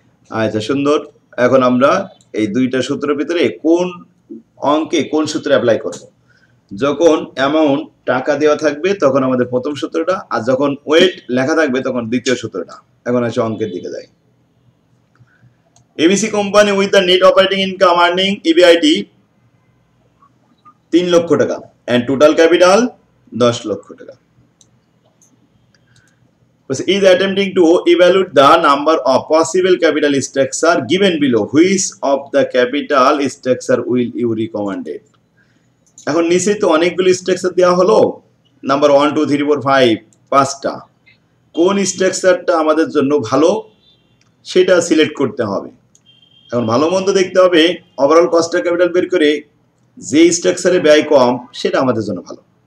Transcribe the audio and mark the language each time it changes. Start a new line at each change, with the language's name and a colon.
Bangla: আচ্ছা সুন্দর, এখন আমরা এই দুইটা সূত্রের ভিতরে কোন অঙ্কে কোন সূত্রে অ্যাপ্লাই করব, যখন অ্যামাউন্ট টাকা দেওয়া থাকবে তখন আমাদের প্রথম সূত্রটা, আর যখন ওয়েট লেখা থাকবে তখন দ্বিতীয় সূত্রটা। এখন আসি অঙ্কের দিকে যাই।
English: ABC company with the net operating income earning EBIT 3,00,000 টাকা and total capital 10,00,000 টাকা, is attempting to evaluate the number of possible capital structure given below. Which of the capital structure will you recommend it?
Bangla: এখন নিচে তো অনেকগুলো structure দেওয়া হলো number 1 2 3 4 5 পাঁচটা কোন স্ট্রাকচারটা আমাদের জন্য ভালো সেটা সিলেক্ট করতে হবে এখন ভালোমন্দ দেখতে হবে ওভারঅল কস্ট অফ ক্যাপিটাল বের করে যে স্ট্রাকচারে ব্যয় কম সেটা আমাদের জন্য ভালো